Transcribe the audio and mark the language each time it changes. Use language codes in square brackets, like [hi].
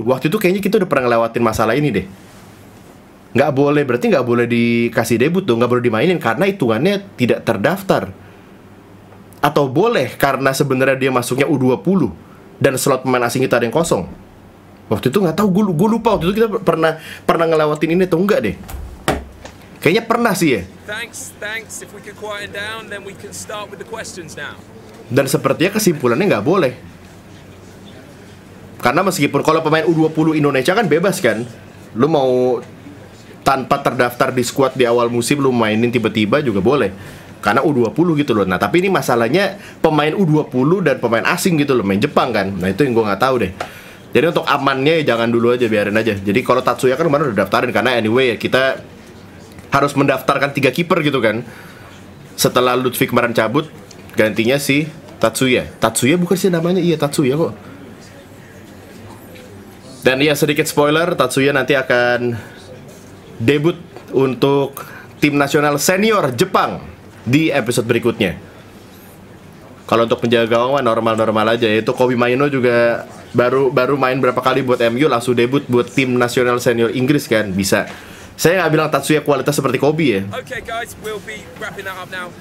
[id] Waktu itu kayaknya kita udah pernah ngelewatin masalah ini deh. Nggak boleh, berarti nggak boleh dikasih debut dong, nggak boleh dimainin karena hitungannya tidak terdaftar. Atau boleh karena sebenarnya dia masuknya U20 dan slot pemain asing kita ada yang kosong. Waktu itu nggak tahu, gue lupa waktu itu kita pernah ngelewatin ini atau enggak deh. Kayaknya pernah sih ya. [en] Thanks. If we could quiet down, then we can start with the questions now. [id] Dan sepertinya kesimpulannya nggak boleh. Karena meskipun kalau pemain U20 Indonesia kan bebas kan, lu mau tanpa terdaftar di squad di awal musim lu mainin tiba-tiba juga boleh. Karena U20 gitu loh. Nah, tapi ini masalahnya pemain U20 dan pemain asing gitu loh, main Jepang kan. Nah, itu yang gua enggak tahu deh. Jadi untuk amannya ya jangan dulu aja, biarin aja. Jadi kalau Tatsuya kan kemarin udah daftarin karena anyway ya kita harus mendaftarkan 3 kiper gitu kan. Setelah Lutfi kemarin cabut, gantinya si Tatsuya. Tatsuya bukan sih namanya? Iya, Tatsuya kok. Dan ya sedikit spoiler, Tatsuya nanti akan debut untuk tim nasional senior Jepang di episode berikutnya. Kalau untuk penjaga gawang normal-normal aja, yaitu Kobi Maino juga baru main berapa kali buat MU, langsung debut buat tim nasional senior Inggris kan, bisa. Saya nggak bilang Tatsuya kualitas seperti Kobi ya. [en] Okay guys, we'll be wrapping that up now.